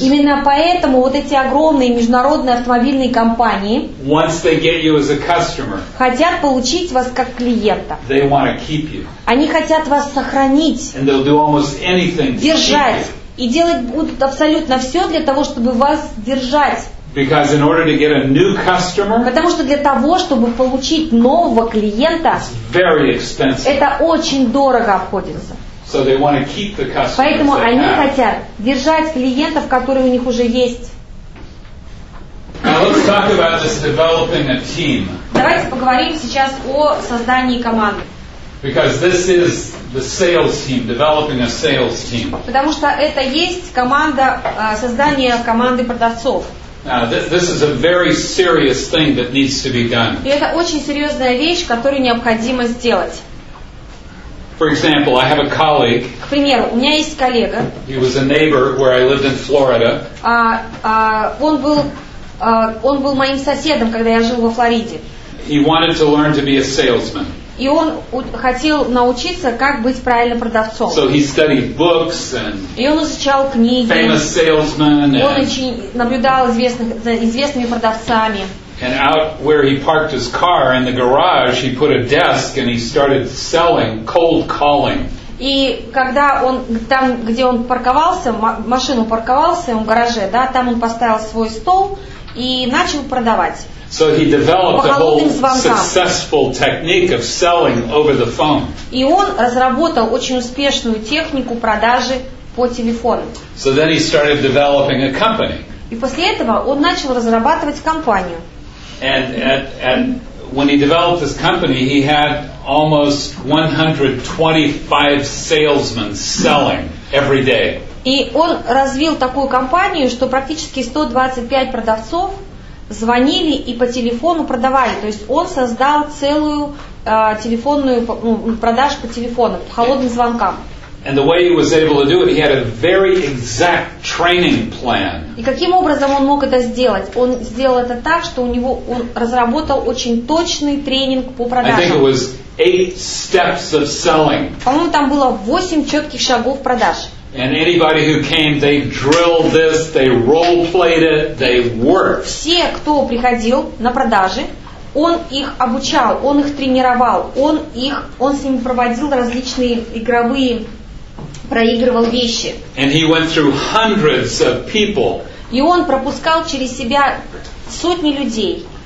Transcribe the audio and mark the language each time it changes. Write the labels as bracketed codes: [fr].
[ru] Именно поэтому вот эти огромные международные автомобильные компании. [en] Once they get you as a customer. [ru] Хотят получить вас как клиента. [en] They want to keep you. [ru] Они хотят вас сохранить. [en] And they'll do almost anything to [ru] держать, [en] keep you. [ru] Держать и делать будут абсолютно все для того, чтобы вас держать. [en] Because in order to get a new customer. [ru] Потому что для того, чтобы получить нового клиента. [en] It's very expensive. [ru] Это очень дорого обходится. [en] So they want to keep the customers. [ru] Поэтому [en] they [ru] они [en] have. [ru] Хотят держать клиентов, которые у них уже есть. [en] Now let's talk about this developing a team. [ru] Давайте поговорим сейчас о создании команды. [en] Because this is the sales team, developing a sales team. [ru] Потому что это есть команда создания команды продавцов. [en] Now, this is a very serious thing that needs to be done. [ru] И это очень серьезная вещь, которую необходимо сделать. [en] For example, I have a colleague. [ru] К примеру, у меня есть коллега. [en] He was a neighbor where I lived in Florida. [ru] Он был моим соседом, когда я жил во Флориде. [en] He wanted to learn to be a salesman. [ru] И он хотел научиться, как быть правильно продавцом. [en] So he studied books and. [ru] И он изучал книги. [en] Famous salesmen. [ru] Он очень наблюдал известными продавцами. [en] And out where he parked his car in the garage, he put a desk and he started selling cold calling. [ru] И когда он там, где он парковался, машину парковался, он в гараже, да, там он поставил свой стол и начал продавать. [en] So he developed [ru] по холодным звонкам. [en] A whole successful technique of selling over the phone. [ru] И он разработал очень успешную технику продажи по телефону. [en] So then he started developing a company. [ru] И после этого он начал разрабатывать компанию. [en] And when he developed this company, he had almost 125 salesmen selling every day. [ru] И он развил такую компанию, что практически 125 продавцов звонили и по телефону продавали. То есть он создал целую телефонную продаж по телефону, по холодным звонкам. [en] And the way he was able to do it, he had a very exact training plan. [ru] И каким образом он мог это сделать? Он сделал это так, что у него он разработал очень точный тренинг по продажам. [en] I think it was 8 steps of selling. [ru] По-моему, там было 8 четких шагов продаж. [en] And anybody who came, they drilled this, they role-played it, they worked. [ru] Все, кто приходил на продажи, он их обучал, он их тренировал, он с ними проводил различные игровые, проигрывал вещи. [en] And he went through hundreds of people. [ru] И он пропускал через себя сотни людей.